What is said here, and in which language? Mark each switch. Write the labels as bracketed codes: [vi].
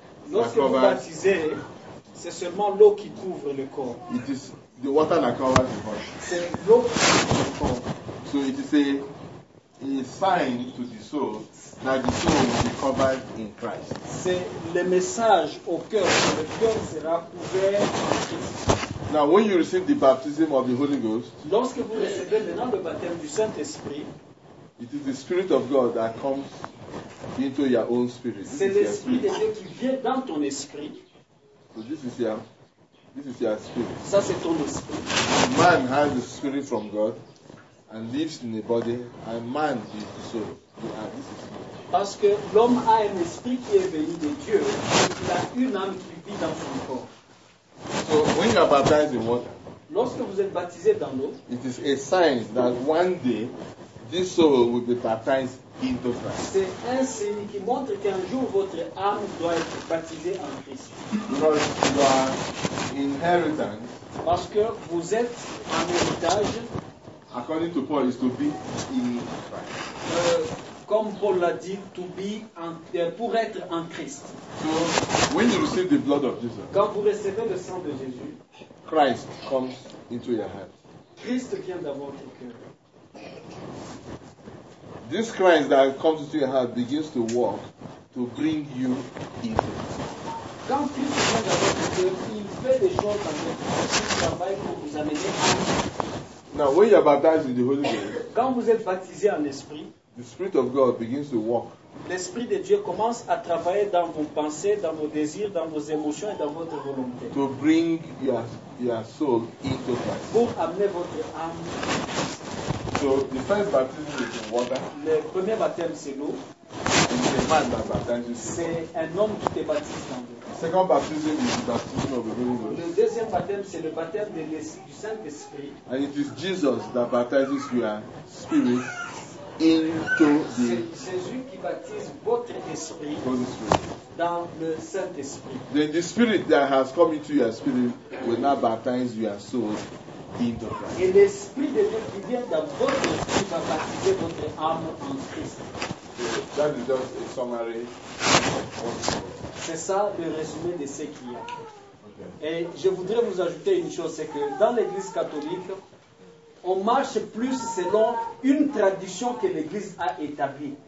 [fr] Lorsque vous baptisez, c'est seulement l'eau qui couvre le corps. [en] It is the water that covers the body. [fr] C'est l'eau qui couvre le corps. [en] So it is a sign to the soul that the soul will be covered in Christ. [fr] C'est le message au cœur que le cœur sera couvert en Christ. [en] Now, when you receive the baptism of the Holy Ghost, [fr] lorsque vous recevez maintenant le baptême du Saint-Esprit, [en] it is the Spirit of God that comes into your own spirit. [fr] C'est l'Esprit de Dieu qui vient dans ton esprit. [en] So this is your spirit. [fr] Ça, c'est ton esprit. [en] Man has the spirit from God. And lives in the body, and man is the soul. Yeah, this is. [fr] Parce que l'homme a un esprit qui est venu de Dieu, et il a une âme qui vit dans son corps. [en] So when you are baptized in water, [fr] lorsque vous êtes baptisé dans l'eau, [en] it is a sign that one day this soul will be baptized into Christ. [fr] C'est un signe qui montre qu'un jour votre âme doit être baptisée en Christ. [en] Because you are inheritance. [fr] Parce que vous êtes un héritage. [en] According to Paul, is to be in Christ. [fr] Comme Paul l'a dit, [en] to be [fr] en, pour être en Christ. [en] So, when you receive the blood of Jesus, [fr] quand vous recevez le sang de Jésus, [en] Christ comes into your heart. [fr] Christ vient dans votre cœur. [en] This Christ that comes into your heart begins to walk to bring you into. [fr] Quand Christ vient dans votre cœur, il fait des choses dans votre cœur, il travaille pour vous amener à. [en] Now, when you are baptized in the Holy Ghost, [fr] quand vous êtes baptisé en esprit, [en] the Spirit of God begins to walk. [fr] L'Esprit de Dieu commence à travailler dans vos pensées, dans vos désirs, dans vos émotions et dans votre volonté. [en] To bring your soul into Christ. [fr] Pour amener votre âme. [en] So, the first baptism is in water. [fr] Le premier baptême, c'est l'eau. [en] It's a man that baptizes. [fr] C'est un homme qui te baptise dans l'eau. [en] The second baptism is the baptism of the Holy Ghost. [fr] Le deuxième baptême, c'est le baptême de du Saint-Esprit. [en] And it is Jesus that baptizes your spirit into the. [fr] C'est Jésus qui baptise votre esprit. [en] Holy Spirit. [fr] Dans le Saint-Esprit. [en] Then the spirit that has come into your spirit will now baptize your soul into Christ. [fr] Et l'Esprit de Dieu qui vient dans votre esprit va baptiser votre âme en Christ. [en] That is just a summary. [fr] C'est ça le résumé de ce qu'il y a. Et je voudrais vous ajouter une chose, c'est que dans l'Église catholique, on marche plus selon une tradition que l'Église a établie.